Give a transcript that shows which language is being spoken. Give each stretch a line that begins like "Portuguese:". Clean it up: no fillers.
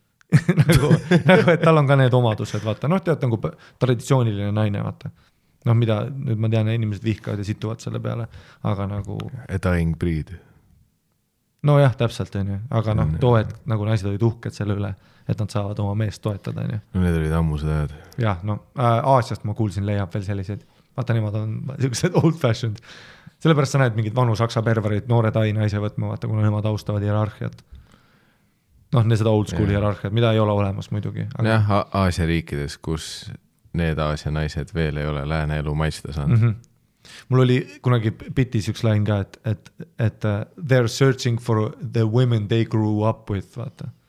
Estonian: nagu, et tal on ka need omadused, vaata. Noh, tead, nagu traditsiooniline naine, vaata. Noh, mida, nüüd ma tean, inimesed vihkavad ja situvad selle peale, aga nagu...
English: A dying breed.
Estonian: No jah, täpselt, on ju. Aga noh, toh, et nagu naised olid uhked selle üle, et nad saavad oma meest toetada, on ju. No need olid ammused ajad. Jah, no Aasiast ma kuulsin, leiab veel sellised. vaata nemad on sellised old fashioned. Sellepärast sa näed mingid vanu saksa perverid, noore tai naise võtma, vaata, kuna nemad austavad hierarhiat. Noh, need seda old school hierarhiat, mida ei ole olemas muidugi. Aga... Jah, Aasia riikides, kus need Aasia naised veel ei ole lääne elu maitsida saanud. Mm-hmm. Mul oli kunagi pitis üks lain ka, et
English: they're searching for the women they grew up with,
Estonian: vaata.